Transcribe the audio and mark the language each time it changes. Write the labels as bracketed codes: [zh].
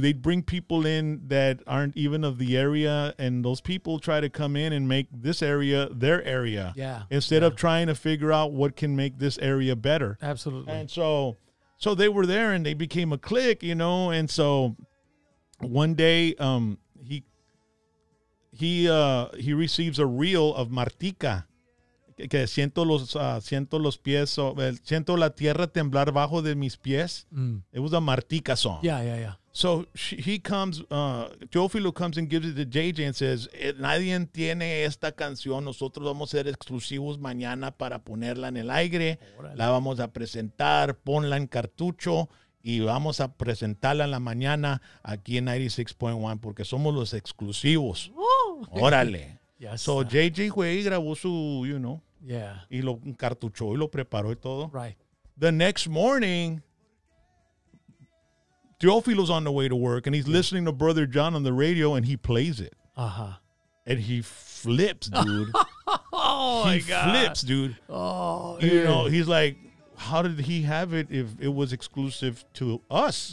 [en] They'd bring people in that aren't even of the area, and those people try to come in and make this area their area instead of trying to figure out what can make this area better. Absolutely. And so they were there and they became a clique, you know. And so one day he receives a reel of Martica. [es] Que siento los pies, siento la tierra temblar bajo de mis pies. Mm. [en] It was a Martica song. Yeah. So Teofilo comes and gives it to JJ and says, [es] nadie tiene esta canción. Nosotros vamos a ser exclusivos mañana para ponerla en el aire. Orale. La vamos a presentar, ponla en cartucho y vamos a presentarla en la mañana aquí en 96.1 porque somos los exclusivos. Órale. [en] Yes. [es] So JJ fue y grabó su, [en] you know. Yeah. [es] Y lo cartuchó y lo preparó y todo. [en] Right. The next morning, Teofilo's on the way to work and he's listening to Brother John on the radio and he plays it. Uh-huh. And he flips, dude. Oh, my God. Oh, you know, he's like, how did he have it if it was exclusive to us?